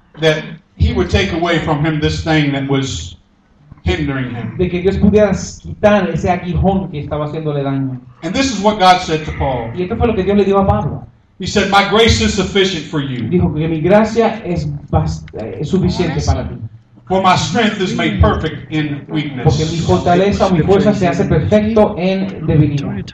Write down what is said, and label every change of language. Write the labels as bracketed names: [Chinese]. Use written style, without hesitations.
[English] That He would take away from him this thing that was hindering him. [Spanish] De que Dios pudiera quitar ese aguijón que estaba haciéndole daño. [English] And this is what God said to Paul. [Spanish] Y esto fue lo que Dios le dio a Pablo. [English] He said, "My grace is sufficient for you." [Spanish] Dijo que mi gracia es suficiente para ti. [English] For my strength is made perfect in weakness. [Spanish] Porque mi fortaleza o mi fuerza se hace perfecto en debilidad.